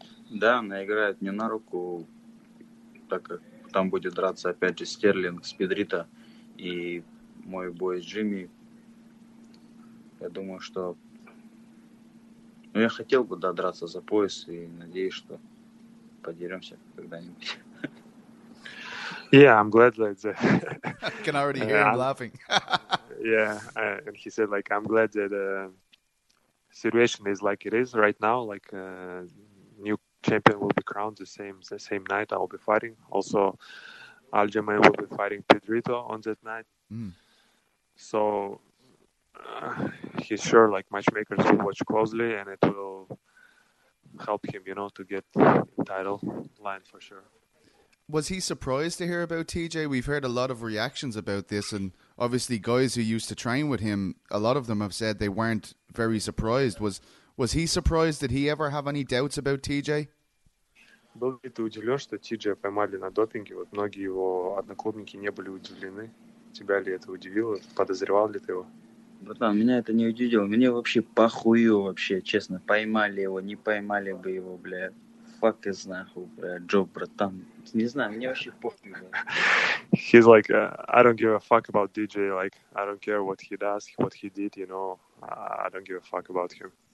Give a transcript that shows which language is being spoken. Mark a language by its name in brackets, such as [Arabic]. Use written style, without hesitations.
[Russian] Да, она играет мне на руку, так как там будет драться, опять же, Стерлинг, Спидрита и мой бой с Джимми. Я думаю, что... Ну, я хотел бы, да, драться за пояс и надеюсь, что подеремся когда-нибудь. [English] Yeah, I'm glad that... I can already hear him laughing. Yeah, and he said, like, I'm glad that the situation is like it is right now, like, new champion will be crowned the same night. I'll be fighting. Also, Aljamain will be fighting Pedrito on that night. So he's sure like matchmakers will watch closely and it will help him, you know, to get title line for sure. Was he surprised to hear about TJ? We've heard a lot of reactions about this, and obviously guys who used to train with him, a lot of them have said they weren't very surprised. Was he surprised? Did he ever have any doubts about TJ? [Russian] Был ли ты удивлен, что TJ поймали на допинге? Вот многие его одноклубники не были удивлены. Тебя ли это удивило? Подозревал ли ты его? Братан, меня это не удивило. Мне вообще похую вообще, честно. Поймали его, не поймали бы его, бля. [English] Fuck is [Russian] нахуй, бля, Джо, братан. Не знаю, мне вообще похуй. [English] He's like, I don't give a fuck about DJ. Like, I don't care what he does, what he did, you know. I don't give a fuck about him.